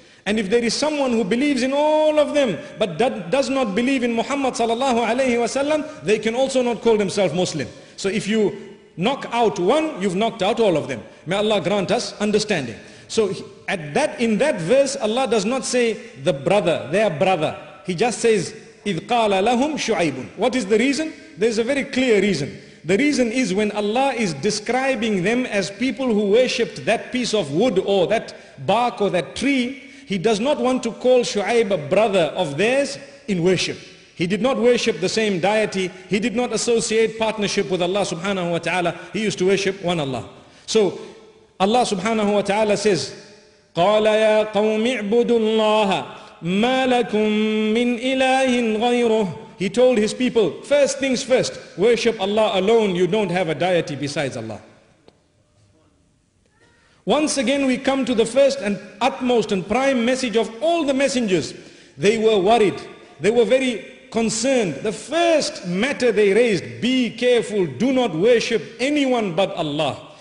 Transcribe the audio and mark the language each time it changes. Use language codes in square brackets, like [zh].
[en] And if there is someone who believes in all of them but does not believe in Muhammad sallallahu alayhi wa sallam, they can also not call themselves Muslim. So if you knock out one, you've knocked out all of them. May Allah grant us understanding. So in that verse, Allah does not say the brother, their brother. He just says, [ar] إِذْ قَالَ لَهُمْ شُعَيْبٌ. [en] What is the reason? There's a very clear reason. The reason is when Allah is describing them as people who worshipped that piece of wood or that bark or that tree, He does not want to call Shu'aib a brother of theirs in worship. He did not worship the same deity. He did not associate partnership with Allah subhanahu wa ta'ala. He used to worship one Allah. So Allah subhanahu wa ta'ala says, [ar] قَالَ يَا قَوْمِ اعْبُدُ اللَّهَ مَا لَكُم مِّنْ إِلَٰهٍ غَيْرُهُ. [en] He told his people, first things first, worship Allah alone. You don't have a deity besides Allah. Once again, we come to the first and utmost and prime message of all the messengers. They were worried. They were very concerned. The first matter they raised, be careful, do not worship anyone but Allah.